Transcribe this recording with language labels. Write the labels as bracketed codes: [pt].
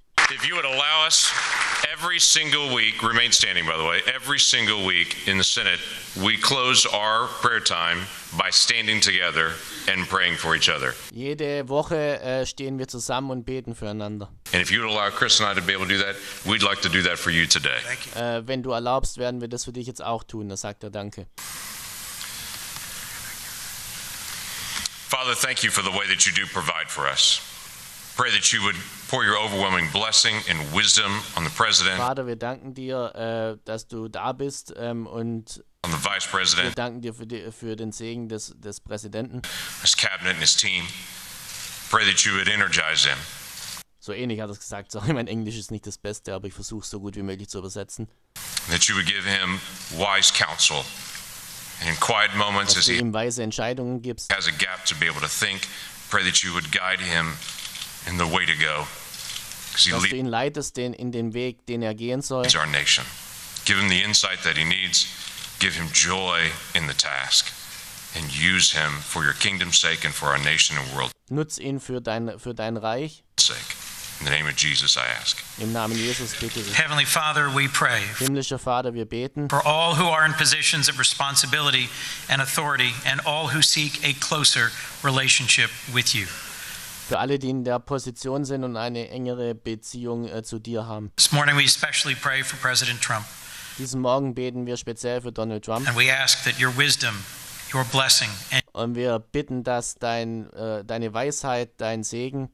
[en] If you would allow us, every single week, remain standing by the way, every single week in the Senate, we close our prayer time by standing together and praying for each other. [de] Jede Woche stehen wir zusammen und beten füreinander. [en] And if you would allow Chris and I to be able to do that, we'd like to do that for you today. [de] Wenn du erlaubst, werden wir das für dich jetzt auch tun, da sagt er danke. [en] Father, thank you for the way that you do provide for us. Pray that you would pour your overwhelming blessing and wisdom on the president. [de] Vater, wir danken dir, dass du da bist, und [en] on the vice president. [de] Wir danken dir für den Segen des Präsidenten. [en] His cabinet and his team. Pray that you would energize them. [de] So ähnlich hat er es gesagt. Sorry, mein Englisch ist nicht das Beste, aber ich versuche es so gut wie möglich zu übersetzen. [en] That you would give him wise counsel. In quiet moments, [de] dass du ihm weise Entscheidungen gibst. [en] Has a gap to be able to think. Pray that you would guide him in the way to go. [de] Dass du ihn leitest in den Weg, den er gehen soll. [en] He's our nation. Give him the insight that he needs. Give him joy in the task. And use him for your kingdom's sake and for our nation and world. [de] Nutz ihn für dein Reich. [en] In the name of Jesus, I ask. [de] Im Namen Jesus bitte ich. [en] Heavenly Father, we pray. [de] Himmlischer Vater, wir beten. [en] For all who are in positions of responsibility and authority and all who seek a closer relationship with you. [de] Für alle, die in der Position sind und eine engere Beziehung zu dir haben. [en] This morning we especially pray for President Trump. [de] Diesen Morgen beten wir speziell für Donald Trump. [en] And we ask that your wisdom, your blessing, and [de] und wir bitten, dass deine Weisheit, dein Segen